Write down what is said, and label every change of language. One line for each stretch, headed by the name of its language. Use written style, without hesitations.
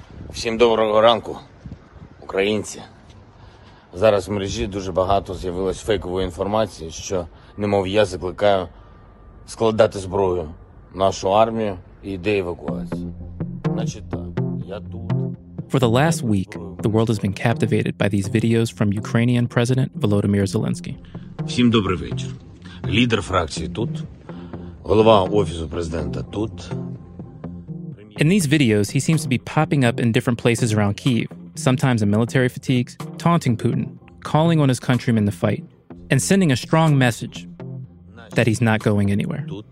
Ukrainian: Всім доброго ранку, українці. Зараз в мережі дуже багато з'явилось фейкової інформації, що, немов я закликаю складати зброю нашу армію і йде евакуація. Значить так, я тут.
English: For the last week, the world has been captivated by these videos from Ukrainian President Volodymyr Zelensky.
Ukrainian: Всім добрий вечір. Лідер фракції тут, голова Офісу Президента тут.
English: In these videos, he seems to be popping up in different places around Kyiv, sometimes in military fatigues, taunting Putin, calling on his countrymen to fight, and sending a strong message that he's not going anywhere.